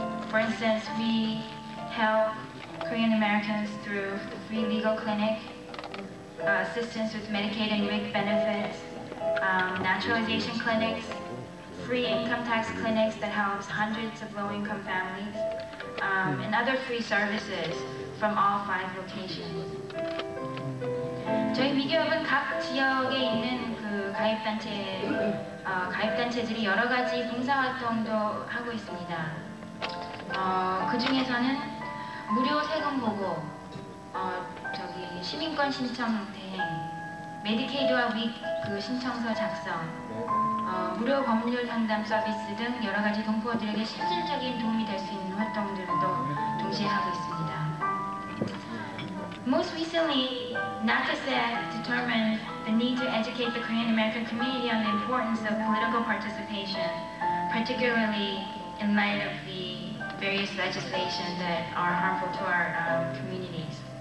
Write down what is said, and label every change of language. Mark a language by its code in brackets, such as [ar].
[en] For instance, we help Korean Americans through free legal clinic, assistance with Medicaid and UIC benefits, naturalization clinics, free income tax clinics that helps hundreds of low-income families, and other free services from all five locations. [ko] 저희 미교육은 각 지역에 있는 그 가입단체들이 여러 가지 봉사활동도 하고 있습니다. 그 중에서는 무료 세금 보고, 시민권 신청 대행, 메디케이드와 윅 그 신청서 작성, 무료 법률 상담 서비스 등 여러 가지 동포들에게 실질적인 도움이 될 수 있는 활동들도 동시에 하고 있습니다. [en] Most recently, NACASEC determined the need to educate the Korean American community on the importance of political participation, particularly in light of the various legislation that are harmful to our communities.